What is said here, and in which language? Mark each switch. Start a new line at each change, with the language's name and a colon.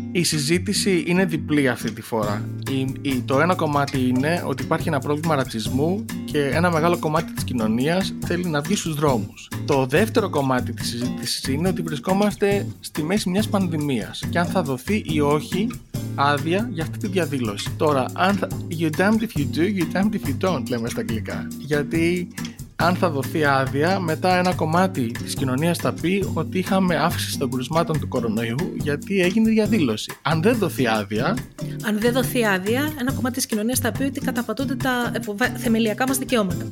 Greek: Η συζήτηση είναι διπλή αυτή τη φορά. Το ένα κομμάτι είναι ότι υπάρχει ένα πρόβλημα ρατσισμού και ένα μεγάλο κομμάτι της κοινωνίας θέλει να βγει στους δρόμους. Το δεύτερο κομμάτι της συζήτησης είναι ότι βρισκόμαστε στη μέση μιας πανδημίας και αν θα δοθεί ή όχι άδεια για αυτή τη διαδήλωση. Τώρα,
English: you're damned if you do, you're damned if you don't,
Greek: λέμε στα αγγλικά. Γιατί αν θα δοθεί άδεια, μετά ένα κομμάτι της κοινωνίας θα πει ότι είχαμε αύξηση των κρουσμάτων του κορονοϊού γιατί έγινε διαδήλωση. Αν δεν δοθεί άδεια. Αν δεν δοθεί άδεια, ένα κομμάτι της κοινωνίας θα πει ότι καταπατούνται τα θεμελιακά μας δικαιώματα.